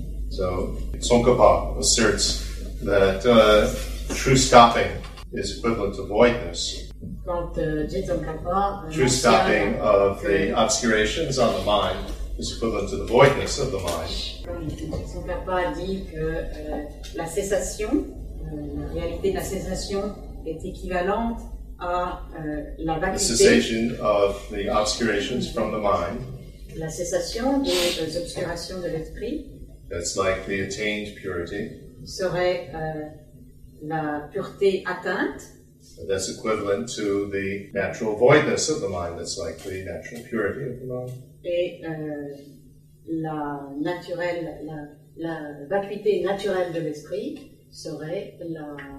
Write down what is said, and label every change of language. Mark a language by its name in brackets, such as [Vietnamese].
[English] So Tsongkhapa asserts that true stopping is equivalent to voidness. [French] Quand Tsongkhapa [English] true stopping of the obscurations on the mind is equivalent to the voidness of the mind. [French] Tsongkhapa dit que la cessation, la réalité de la cessation est équivalente à la vacuité. [English] The cessation of the obscurations from the mind. [French] La cessation des obscurations de l'esprit. [English] That's like the attained purity. [French] Serait la pureté atteinte. [English] That's equivalent to the natural voidness of the mind. That's like the natural purity of the mind. [French] Et la naturelle, la vacuité naturelle de l'esprit serait la